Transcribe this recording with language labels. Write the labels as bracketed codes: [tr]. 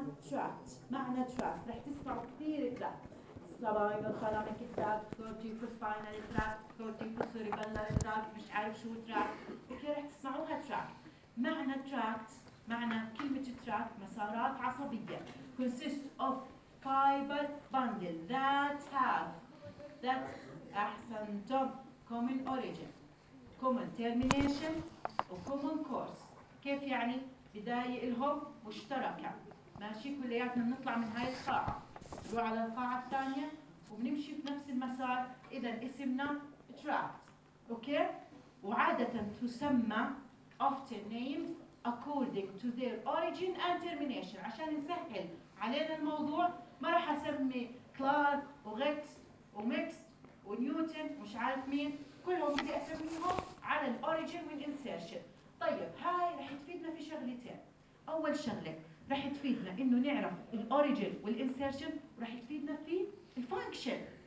[ar] تراكت، معنى تراكت رح تسمع كثير تراكت. سبينال ثلاميك تراكت، كورتيكو سبينال تراكت، كورتيكو سيريبلر تراكت، مش عارف شو تراكت. اوكي رح تسمعوها تراكت. معنى تراكت، معنى كلمة تراكت مسارات عصبية. [en] consists of fiber bundle that have that [ar] أحسن [en] top common origin common termination و common course. [ar] كيف يعني؟ بداية إلهم مشتركة. ماشي كلياتنا بنطلع من هاي القاعة نروح على القاعة الثانية وبنمشي في نفس المسار. إذا اسمنا tract. أوكي؟ وعادة تسمى [en] often named according to their origin and termination. [ar] عشان نسهل علينا الموضوع ما رح أسمي كلار وغيكس وميكس ونيوتن مش عارف مين، كلهم بدي أسميهم على الأوريجين والإنسيرشن. طيب هاي رح تفيدنا في شغلتين. أول شغلة رح تفيدنا إنه نعرف الأوريجين والإنسيرشن، ورح تفيدنا في الفانكشن.